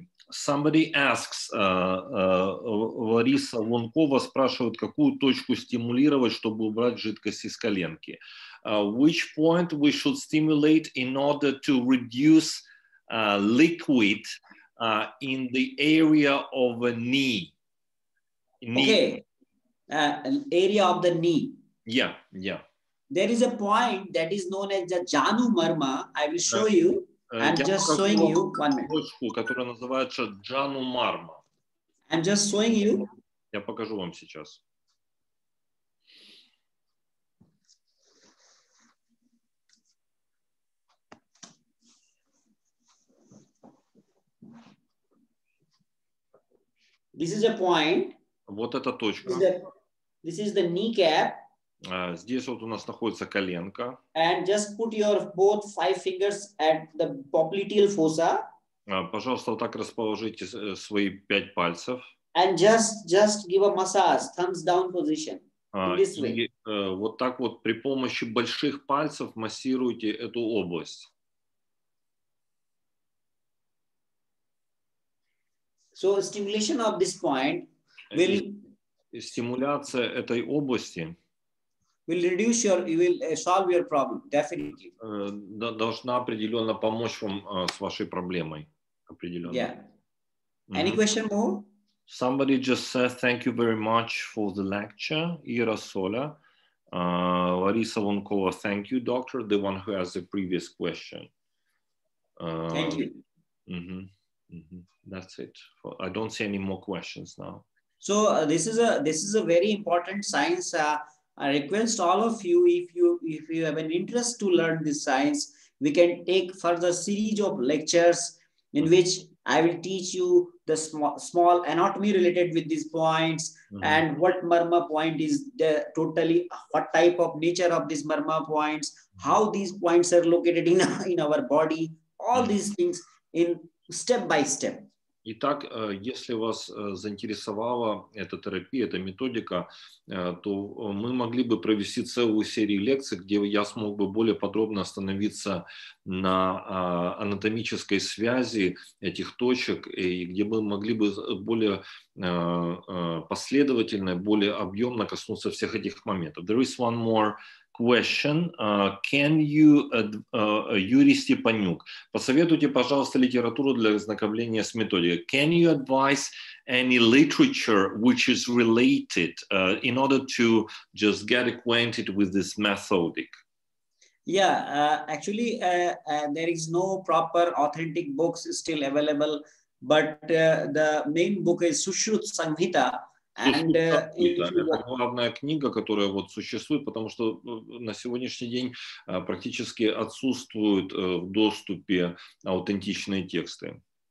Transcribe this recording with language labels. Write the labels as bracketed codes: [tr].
[en] Somebody asks, [ru] Лариса Лункова спрашивает, какую точку стимулировать, чтобы убрать жидкость из коленки. [en] Which point we should stimulate in order to reduce liquid in the area of a knee. Okay. Area of the knee. Yeah, yeah. There is a point that is known as the Janu Marma. I will show you. I'm just showing you. [ru] Я покажу вам сейчас. [en] This is a point. [ru] Вот эта точка. [en] This is the kneecap. [ru] Здесь вот у нас находится коленка. [en] And just put your both five fingers at the popliteal fossa. [ru] Пожалуйста, вот так расположите свои пять пальцев. [en] And just give a massage, thumbs down position. [ru] Вот так вот при помощи больших пальцев массируйте эту область. [en] So stimulation of this point [ru] стимуляция этой области [en] will reduce your, will solve your problem, definitely. [ru] Должна определенно помочь вам с вашей проблемой. Определенно. [en] Yeah. Mm-hmm. Any question more? Somebody just said thank you very much for the lecture. Ira Sola. Larissa Vonkova, thank you, doctor. The one who has the previous question. Thank you. Mm-hmm. Mm-hmm. That's it. I don't see any more questions now. So this is a very important science. I request all of you, if you have an interest to learn this science, we can take further series of lectures in which I will teach you the small anatomy related with these points, mm-hmm. and what Marma point is, the totally what type of nature of these Marma points, mm-hmm. how these points are located in our body, all mm-hmm. these things in step by step. [ru] Итак, если вас заинтересовала эта терапия, эта методика, то мы могли бы провести целую серию лекций, где я смог бы более подробно остановиться на анатомической связи этих точек, и где мы могли бы более последовательно, более объемно коснуться всех этих моментов. [en] There is one more question. Can you, [ru] Юрий Степанюк, посоветуйте, пожалуйста, литературу для ознакомления с методикой. [en] Can you advise any literature which is related in order to just get acquainted with this methodic? Yeah, actually, there is no proper authentic books still available, but the main book is Sushrut Samhita. And [ru] это главная книга, которая вот существует, потому что на сегодняшний день практически отсутствуют в доступе аутентичные тексты.